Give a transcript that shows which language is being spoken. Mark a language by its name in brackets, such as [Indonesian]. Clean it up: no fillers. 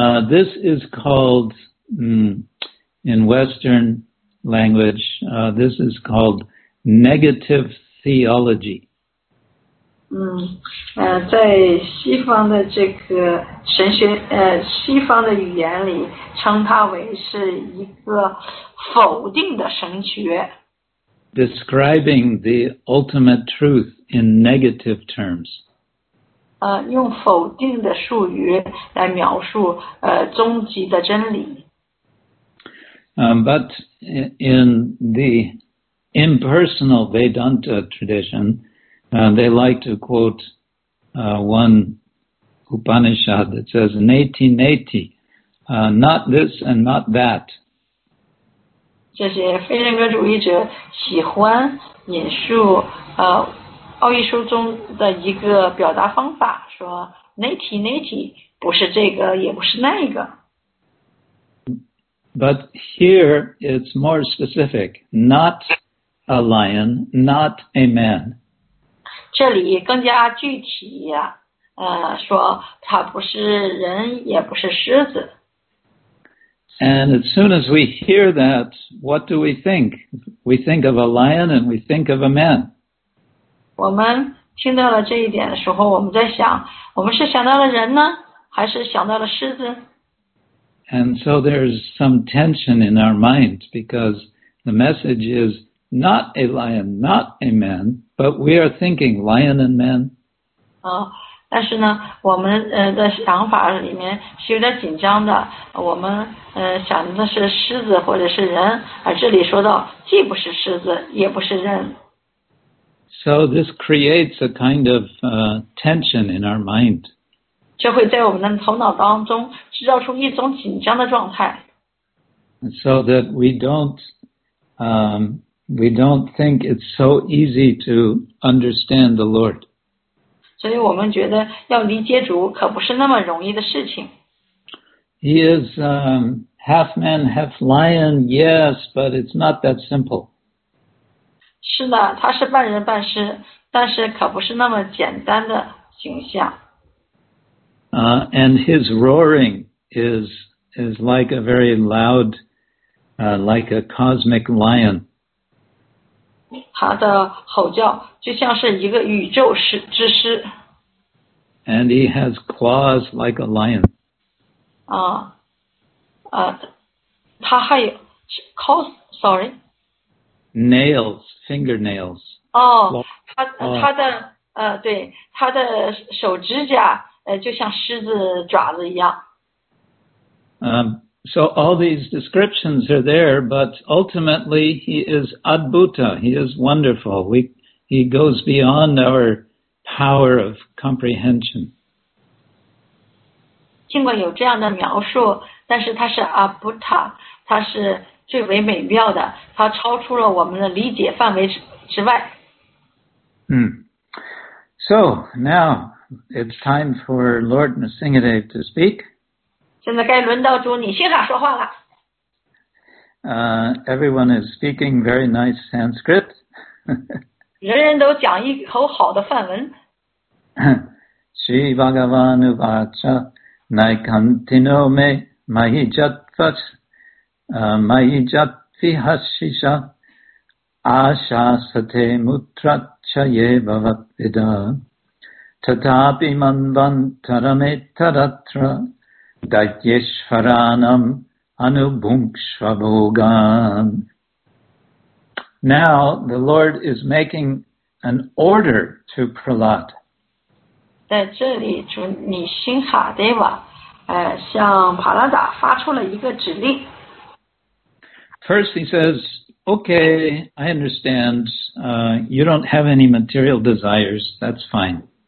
[English] This is called, in Western language, this is called negative theology. [Chinese] 在西方的这个神学，西方的语言里称它为是一个否定的神学。 [English] Describing the ultimate truth in negative terms. [Chinese] 用否定的术语来描述终极的真理。 [English] But in the impersonal Vedanta tradition, they like to quote one Upanishad that says, neti neti, not this and not that. [Chinese] 这些非人格主义者喜欢引述奥义书中的一个表达方法，说 [Sanskrit] neti neti [Chinese] 不是这个，也不是那个。 [English] But here it's more specific, not a lion, not a man. [Chinese] 这里更加具体呀，说它不是人，也不是狮子。 [English] And as soon as we hear that, what do we think? We think of a lion and we think of a man. [Chinese] 我们听到了这一点的时候，我们在想，我们是想到了人呢，还是想到了狮子。 [English] And so there's some tension in our minds because the message is not a lion, not a man, but we are thinking lion and man. [Chinese] 但是呢，我们的想法里面是有点紧张的。我们想的是狮子或者是人，而这里说到既不是狮子，也不是人。 [English] So this creates a kind of tension in our mind. [Chinese] 这会在我们的头脑当中制造出一种紧张的状态。 [English] So that we don't think it's so easy to understand the Lord. [Chinese] 所以我们觉得要理解主可不是那么容易的事情。 [English] He is half man, half lion, yes, but it's not that simple. [Chinese] 是的，他是半人半狮，但是可不是那么简单的形象。 [English] And his roaring is like a very loud, like a cosmic lion. [Chinese] 他的吼叫就像是一个宇宙之狮。 [English] And he has claws like a lion. [Chinese] 他还有 [English] claws, sorry. Nails, fingernails. [Chinese] 他的手指甲就像狮子爪子一样。 [English] So all these descriptions are there, but ultimately he is Adbhuta. He is wonderful. He goes beyond our power of comprehension. [Chinese] 尽管有这样的描述，但是他是 Adbhuta， 他是最为美妙的，他超出了我们的理解范围之外。 [English] So now it's time for Lord Nrsingadev to speak. [Chinese] 现在该轮到主你欣赏说话了。 [English] Everyone is speaking very nice Sanskrit. [Chinese] 人人都讲一口好的梵文。 [Sanskrit] Shri Bhagavan Uvacha Naikantino Me Mahijatvach Mahijatvihashisha Asha Sate Mutracha Yevavatvida Tatapi Manvantarame TaratraDatyeshvaranam anubhunkshvabhogan. [English] Now the Lord is making an order to Prahlad. [Chinese] 在这里，主你心哈德瓦，向帕拉达发出了一个指令。 [English] First he says, "Okay, I understand. You don't have any material desires. That's fine."